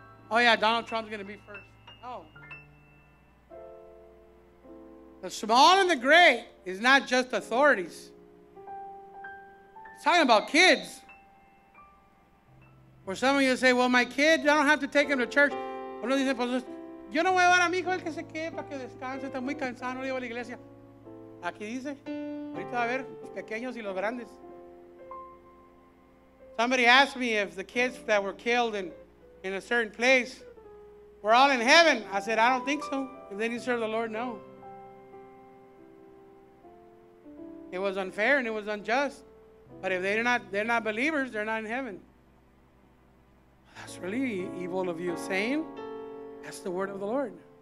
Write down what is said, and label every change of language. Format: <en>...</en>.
<en>Oh, yeah, Donald Trump's going to be first. No. The small and the great is not just authorities. It's talking about kids. Or some of you say, well, my kid, I don't have to take him to church.</en> <es>Uno dice, pues, yo no voy a dar a mi hijo el que se quede para que descanse. Está muy cansado, no le llevo a la iglesia. Aquí dice, ahorita va a ver los pequeños y los grandes.</es> <en>Somebody asked me if the kids that were killed in a certain place, We're all in heaven. I said, I don't think so. If they didn't serve the Lord, no. It was unfair and it was unjust. But if they're not believers, they're not in heaven. That's really evil of you saying. That's the word of the Lord.</en>